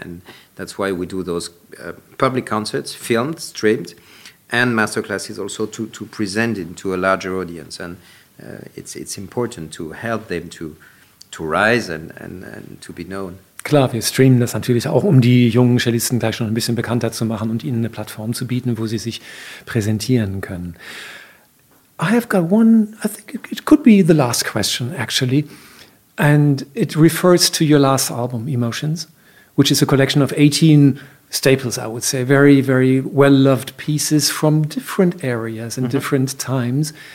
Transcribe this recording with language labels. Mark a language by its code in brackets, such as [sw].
[en] And that's why we do those public concerts, filmed, streamed, and masterclasses also to present it to a larger audience. And it's important to help them to rise and to be known. [de] Klar, wir streamen das natürlich auch, um die jungen Cellisten gleich schon ein bisschen bekannter zu machen und ihnen eine Plattform zu bieten, wo sie sich präsentieren können. [en] I have got one, I think it could be the last question, actually. And it refers to your last album, Emotions, which is a collection of 18 staples, I would say, very, very well-loved pieces from different areas and different times.